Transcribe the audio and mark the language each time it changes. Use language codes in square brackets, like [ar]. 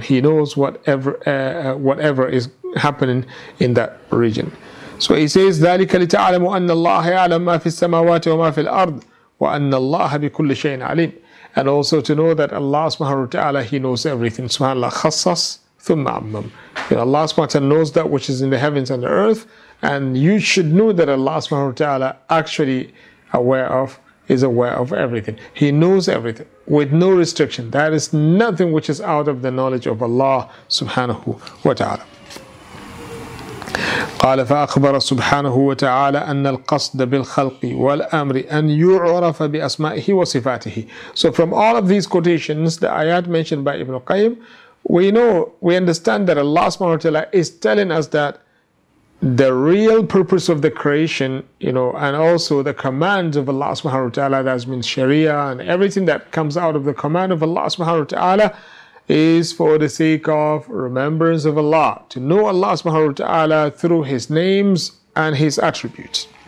[en] He knows whatever is happening in that region. So he says, [ar] ذَلِكَ لِتَعْلَمُ أَنَّ اللَّهَ يَعْلَمْ مَا فِي السَّمَاوَاتِ وَمَا فِي الْأَرْضِ وَأَنَّ اللَّهَ بِكُلِّ شَيْءٍ عَلِيمٍ. [en] And also to know that Allah subhanahu wa ta'ala, He knows everything. Subhanallah, [ar] khassas thumma ammam. [en] Allah subhanahu wa ta'ala knows that which is in the heavens and the earth. And you should know that Allah subhanahu wa ta'ala actually is aware of everything. He knows everything with no restriction. That is nothing which is out of the knowledge of Allah subhanahu wa ta'ala. [ar] قال فأخبر سبحانه وتعالى أن القصد بالخلق والأمر أن يعرف بأسمائه وصفاته. [en] So from all of these quotations, the ayat mentioned by Ibn Qayyim, we understand that Allah subhanahu wa ta'ala is telling us that the real purpose of the creation, and also the commands of Allah subhanahu wa ta'ala, that has been Sharia and everything that comes out of the command of Allah subhanahu wa ta'ala, is for the sake of remembrance of Allah, to know Allah subhanahu wa ta'ala through His names and His attributes.